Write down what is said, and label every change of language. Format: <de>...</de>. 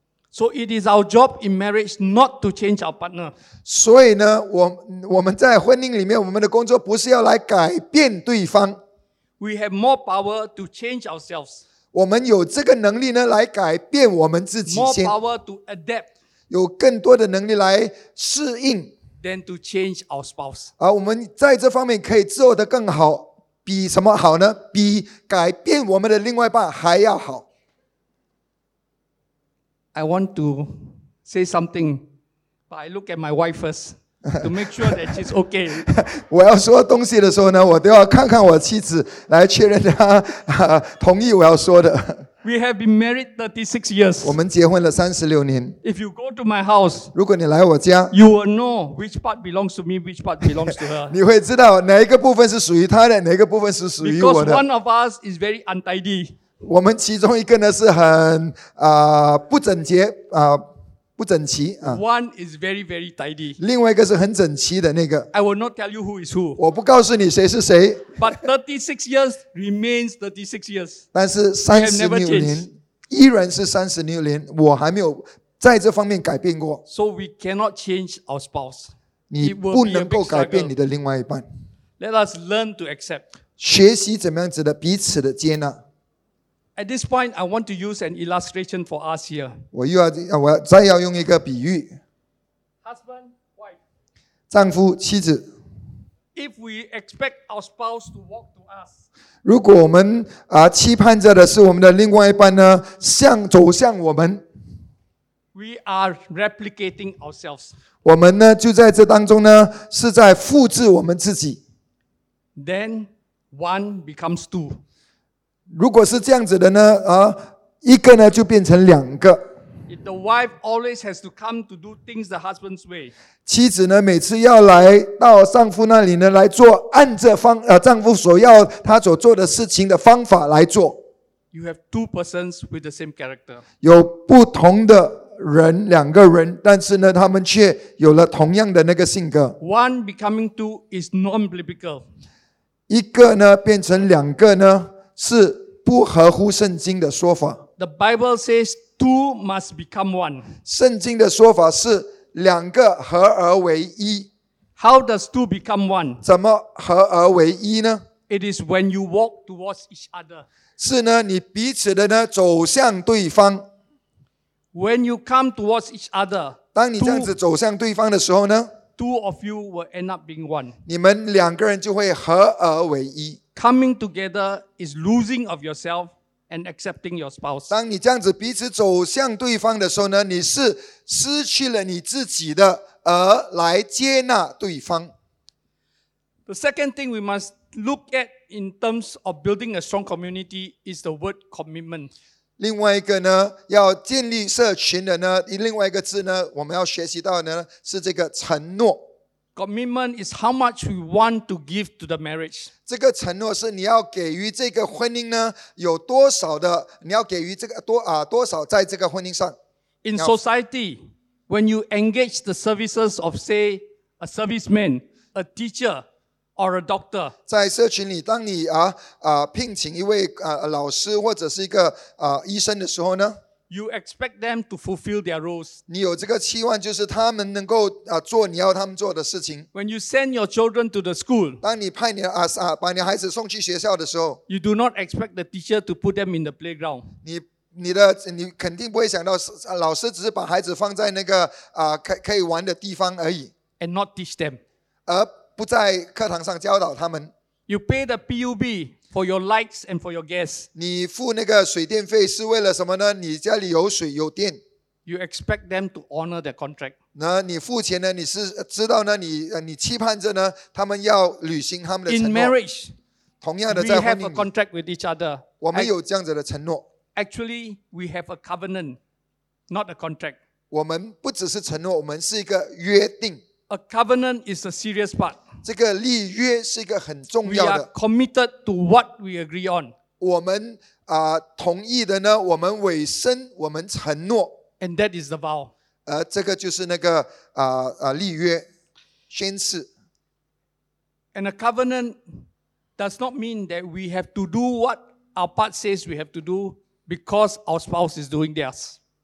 <en>So it is our job in marriage not to change our partner.</en> <zh>所以呢，我们在婚姻里面，我们的工作不是要来改变对方。</zh> <en>We have more power to change ourselves.</en> <zh>我们有这个能力呢，来改变我们自己先。</zh> <en>More power to adapt.</en> <zh>有更多的能力来适应。</zh> <en>Than to change our spouse.</en> <zh>而我们在这方面可以做得更好，比什么好呢？比改变我们的另外一半还要好。</zh> <en>I want to say something, but I look at my wife first to make sure that she's okay.</en> <zh>我要说东西的时候呢，我都要看看我妻子来确认她同意我要说的。</zh> <en>We have been married 36 years.</en> <zh>我们结婚了36年。</zh> <en>If you go to my house,</en> <zh>如果你来我家</zh> <en>，you will know which part belongs to me, which part belongs to her.</en> <zh>你会知道哪一个部分是属于她的，哪一个部分是属于我的。</zh> <en>Because one of us is very untidy.</en> <zh>我们其中一个呢是很不整洁不整齐</zh> <en>One is very very tidy.</en> <zh>另外一个是很整齐的那个。</zh> <en>I will not tell you who is who.</en> <zh>我不告诉你谁是谁。</zh> <en>But 36 years remains 36 years.</en> <zh>但是36年依然是36年，我还没有在这方面改变过。</zh> <en>So we cannot change our spouse.</en> <zh>你不能够改变你的另外一半。</zh> <en>Let us learn to accept.</en> <zh>学习怎么样子的彼此的接纳。</zh> <en>At this point, I want to use an illustration for us here.</en> <zh>我再要用一个比喻。</zh> <en>Husband, wife.</en> <zh>丈夫妻子。</zh> <en>If we expect our spouse to walk to us.</en> <zh>如果我们期盼着的是我们的另外一半呢，走向我们。</zh> <en>We are replicating ourselves.</en> <zh>我们呢就在这当中呢，是在复制我们自己。</zh> <en>Then one becomes two.</en> <zh>如果是这样子的呢，一个呢就变成两个。</zh> <en>The wife always has to come to do things the husband's way.</en> <zh>妻子呢每次要来到丈夫那里呢来做按着丈夫所要他所做的事情的方法来做。</zh> <en>You have two persons with the same character.</en> <zh>有不同的人两个人，但是呢他们却有了同样的那个性格。</zh> <en>One becoming two is non-biblical.</en> <zh>一个呢变成两个呢。是不合乎圣经的说法。</zh> <en>The Bible says two must become one.</en> <zh>圣经的说法是两个合而为一。</zh> <en>How does two become one?</en> <zh>怎么合而为一呢</zh> <en>？It is when you walk towards each other.</en> <zh>是呢，你彼此的呢走向对方。</zh> <en>When you come towards each other,</en> <zh>当你这样子走向对方的时候呢</zh> <en>，two of you will end up being one.</en> <zh>你们两个人就会合而为一。</zh> <en>coming together is losing of yourself and accepting your spouse.</en> <zh>当你这样子彼此走向对方的时候呢，你是失去了你自己的，而来接纳对方。</zh> <en>The second thing we must look at in terms of building a strong community is the word commitment.</en> <zh>另外一个呢，要建立社群的呢，另外一个字呢，我们要学习到的呢，是这个承诺。</zh> <en>Commitment is how much we want to give to the marriage.</en> <zh>这个承诺是你要给予这个婚姻呢，有多少的，你要给予这个多，多少在这个婚姻上。</zh> <en>In society, when you engage the services of, say, a serviceman, a teacher,or a doctor.</en> <zh>在社群里，当你聘请一位老师或者是一个医生的时候呢</zh> <en>，you expect them to fulfill their roles.</en> <zh>你有这个期望，就是他们能够做你要他们做的事情。</zh> <en>When you send your children to the school,</en> <zh>当你派你把你孩子送去学校的时候</zh> <en>，you do not expect the teacher to put them in the playground.</en> <zh>你肯定不会想到老师只是把孩子放在那个可以玩的地方而已</zh> <en>，and not teach them.</en> <zh>不在课堂上教导他们。</zh> <en>You pay the PUB for your lights and for your gas.</en> <zh>你付那个水电费是为了什么呢？你家里有水有电。</zh> <en>You expect them to honor their contract.</en> <zh>那你付钱呢？你是知道呢？你期盼着呢？他们要履行他们的承诺。</zh> <en>In marriage,</en> <zh>同样的在婚姻里</zh> <en>we have a contract with each other.</en> <zh>我们有这样子的承诺。</zh> <en>Actually, we have a covenant, not a contract.</en> <zh>我们不只是承诺，我们是一个约定。</zh> <en>A covenant is a serious part.</en> <zh>这个立约是一个很重要的。</zh> <en>We are committed to what we agree on.</en> <zh>我们同意的呢，我们委身，我们承诺。</zh> <en>And that is the vow.</en> <zh>这个就是那个立约，宣誓。</zh> <en>And a covenant does not mean that we have to do what our part says we have to do because our spouse is doing theirs.</en>